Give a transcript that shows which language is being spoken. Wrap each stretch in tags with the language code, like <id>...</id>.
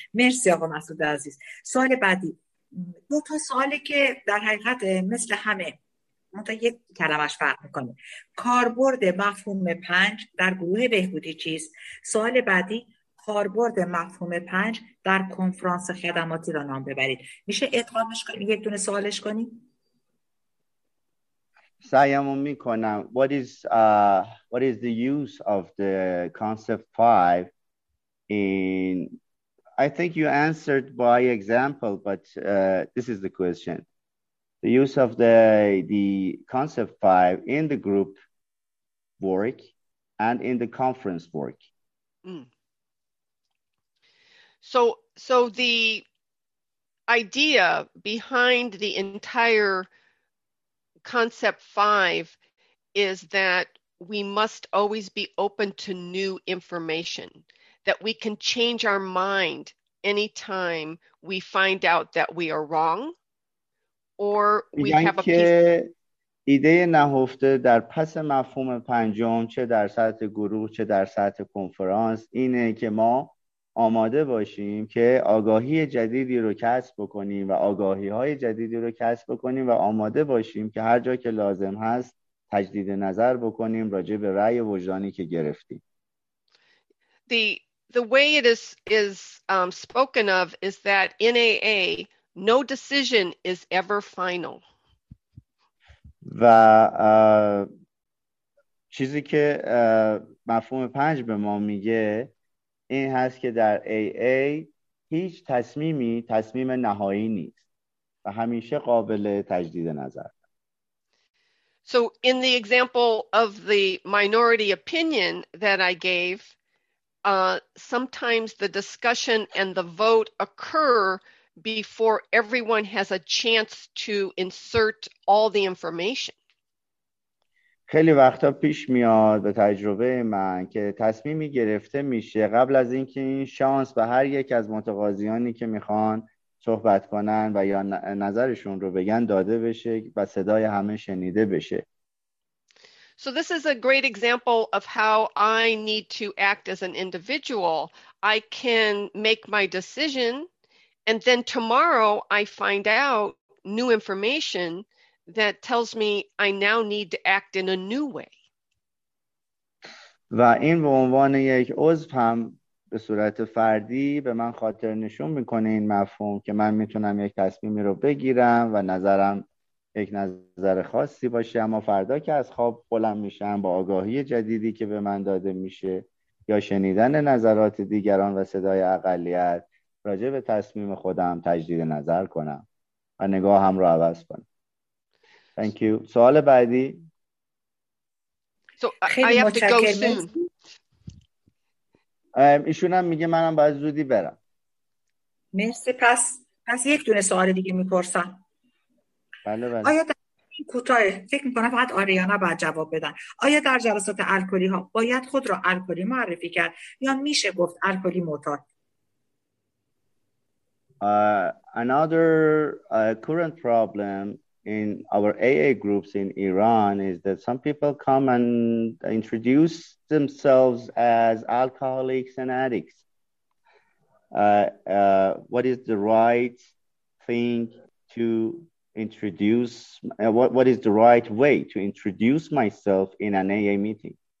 <fa>مرسی آقا مسعود عزیز. سوال بعدی، دو تا سواله که در حقیقت مثل همه، منتها یک کلمش فرق میکنه. کاربرد مفهوم 5 در گروه بهبودی چیست؟ سوال بعدی، کاربرد مفهوم 5 در کنفرانس خدماتی را نام ببرید. میشه ادغامش کنیم، یک دونه سوالش کنیم؟ سعیمو میکنم.</fa> <en>What is the use of the concept 5 in, I think you answered by example, but this is the question. The use of the concept 5 in the group work and in the conference work. So the idea behind the entire concept 5 is that we must always be open to new information, that we can change our mind anytime we find out that we are wrong. Or we have a piece.</en> <fa>ایده نهفته در پس مفهوم پنجم، چه در سطح گروه چه در سطح کنفرانس، اینه که ما آماده باشیم که آگاهی جدیدی رو کسب بکنیم و آگاهی های جدیدی رو کسب بکنیم و آماده باشیم که هر جا که لازم هست تجدید نظر بکنیم راجع به رأی وجدانی که گرفتیم.</fa> <en>The way it is spoken of is that in AA, no decision is ever final.</en> <fa>و چیزی که مفهوم 5 به ما میگه این هست که در AA هیچ تصمیمی تصمیم نهایی نیست و همیشه قابل تجدید نظر.</fa> <en>So in the example of the minority opinion that I gave, sometimes the discussion and the vote occur before everyone has a chance to insert all the information.</en> <fa>خیلی وقتا پیش میاد به تجربه من که تصمیمی گرفته میشه قبل از اینکه این شانس به هر یک از متقاضیانی که میخوان صحبت کنن و یا نظرشون رو بگن داده بشه و صدای همه شنیده بشه.</fa> <en>So this is a great example of how I need to act as an individual. I can make my decision and then tomorrow I find out new information that tells me I now need to act in a new way.</en> <fa>و این به عنوان یک عضو هم به صورت فردی به من خاطر نشون میکنه این مفهوم که من میتونم یک تصمیمی رو بگیرم و نظرم یک نظر خاصی باشه، اما فردا که از خواب بلند میشم با آگاهی جدیدی که به من داده میشه یا شنیدن نظرات دیگران و صدای اقلیت راجع به تصمیم خودم تجدید نظر کنم و نگاه هم رو عوض کنم.</fa> <en>Thank you.</en> <fa>سوال بعدی. So, خیلی متشکرم. ایشون هم میگه منم باید زودی برم. مرسی. پس یک دونه سوال دیگه میپرسم. بله. آیا در کوتاه فکر میکنم فقط آریانا باید جواب بدن، آیا در جلسات الکلی ها باید خود را الکلی معرفی کرد یا میشه گفت الکلی معتاد؟</fa> <en>Another current problem in our AA groups in Iran is that some people come and introduce themselves as alcoholics and addicts. What is the right thing to introduce, what is the right way to introduce myself in an AA meeting?</en>